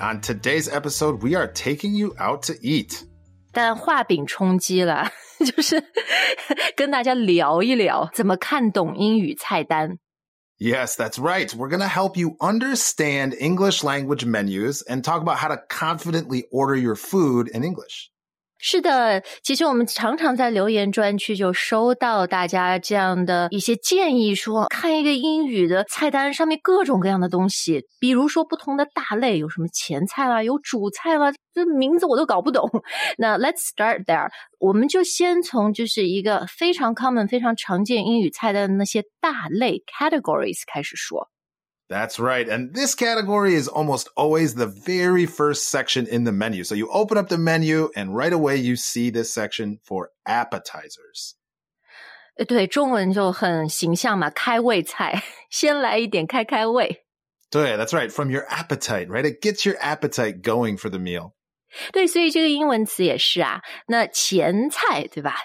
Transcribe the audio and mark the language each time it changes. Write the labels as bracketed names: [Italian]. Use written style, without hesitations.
[English] On today's episode, we are taking you out to eat. [Chinese] 但画饼充饥了，就是跟大家聊一聊怎么看懂英语菜单。 [English] Yes, that's right. We're going to help you understand English language menus and talk about how to confidently order your food in English. [Chinese] 是的，其实我们常常在留言专区就收到大家这样的一些建议，说看一个英语的菜单上面各种各样的东西，比如说不同的大类，有什么前菜啦，有主菜啦，这名字我都搞不懂。那 [English] let's start there. [Chinese] 我们就先从就是一个非常 [English] common, [Chinese] 非常常见英语菜单的那些大类 categories 开始说。 [English] That's right. And this category is almost always the very first section in the menu. So you open up the menu and right away you see this section for appetizers. [Chinese] 对，中文就很形象嘛，开胃菜，先来一点开开胃。对， [English] that's right. From your appetite, right? It gets your appetite going for the meal. [Chinese] 对，所以这个英文词也是啊，那前菜，对吧？